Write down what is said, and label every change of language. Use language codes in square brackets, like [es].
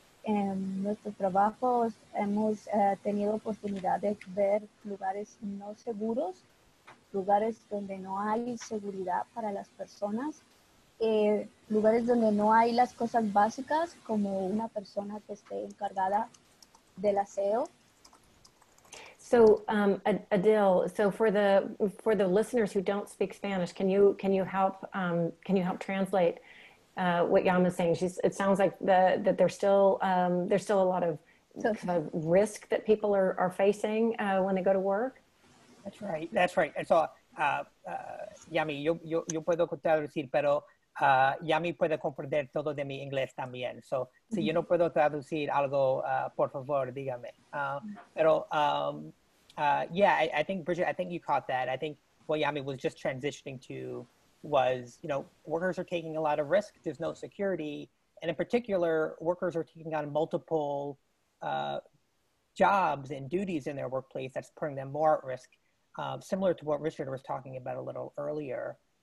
[es] en nuestros trabajos hemos tenido oportunidad de ver lugares no seguros, lugares donde no hay seguridad para las personas, lugares donde no hay las cosas básicas como una persona que esté encargada del aseo. [en] So, Adil, so for the listeners who don't speak Spanish, can you help translate what Yama is saying? It sounds like that there's still a lot of risk that people are facing when they go to work. That's right. And so, [es] Yami, yo puedo traducir, pero Yami puede comprender todo de mi inglés también. So, si yo no puedo traducir algo, por favor, dígame. [en] I think, Bridget, I think you caught that. I think what Yami was just transitioning to was, you know, workers are taking a lot of risk. There's no security. And in particular, workers are taking on multiple jobs and duties in their workplace that's putting them more at risk, similar to what Richard was talking about a little earlier.